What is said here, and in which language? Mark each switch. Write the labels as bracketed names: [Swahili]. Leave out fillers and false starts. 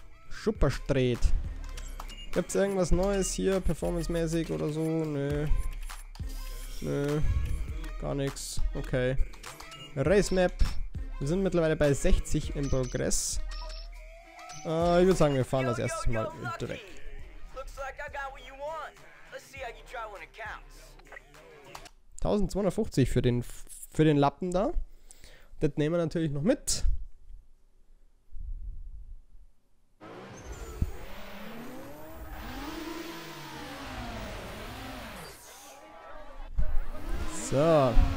[German] Super Street. Gibt's irgendwas Neues hier, performancemäßig oder so? Nö. Nö. Gar nichts. Okay. Race Map. Wir sind mittlerweile bei 60 im Progress. Ich würde sagen, wir fahren das erste Mal direkt. [English] Looks like I got what you want. Let's see how you try when it counts. [German] 1250 für den Lappen da. Das nehmen wir natürlich noch mit. So.